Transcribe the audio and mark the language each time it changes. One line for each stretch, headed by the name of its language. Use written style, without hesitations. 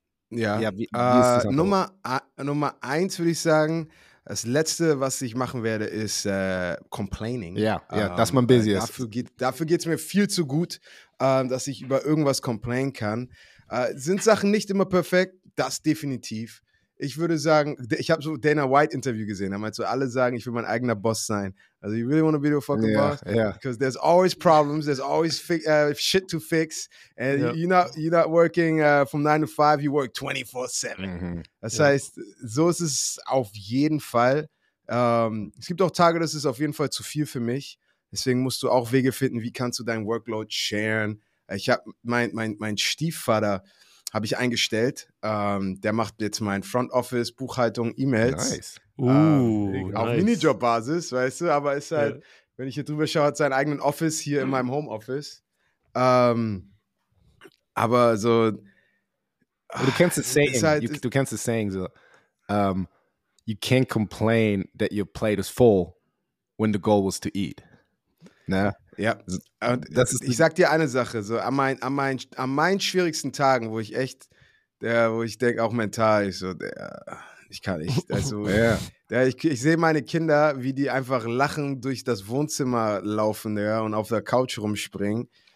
German: Ja, ja, wie ist das Nummer eins würde ich sagen, das Letzte, was ich machen werde, ist complaining. Ja, ja, dass man busy ist. Dafür geht es mir viel zu gut, dass ich über irgendwas complain kann. Sind Sachen nicht immer perfekt? Das definitiv. Ich würde sagen, ich habe so Dana White Interview gesehen, da meinst du, alle sagen, ich will mein eigener Boss sein.
English: Also, you really want to be the fucking boss? Yeah, yeah. Because there's always problems, there's always shit to fix. And yep. you're not working from 9 to 5, you work 24/7. Mm-hmm.
German: Das heißt, so ist es auf jeden Fall. Es gibt auch Tage, das ist auf jeden Fall zu viel für mich. Deswegen musst du auch Wege finden, wie kannst du dein Workload sharen. Ich habe mein Stiefvater habe ich eingestellt. Der macht jetzt mein Front Office, Buchhaltung, E-Mails. Nice. Auf Minijob-Basis, weißt du, aber ist halt, wenn ich hier drüber schaue, hat seinen eigenen Office hier in meinem Homeoffice. Aber so. Du kennst das Saying. Du kennst das Saying so.
English: You can't complain that your plate is full when the goal was to eat.
German: Ne? Ja, das ist, ich sag dir eine Sache, so an meinen schwierigsten Tagen, wo ich echt, wo ich denke auch mental, ich so, ich kann nicht, also
English: yeah.
German: ich sehe meine Kinder, wie die einfach lachend durch das Wohnzimmer laufen, ja, und auf der Couch rumspringen.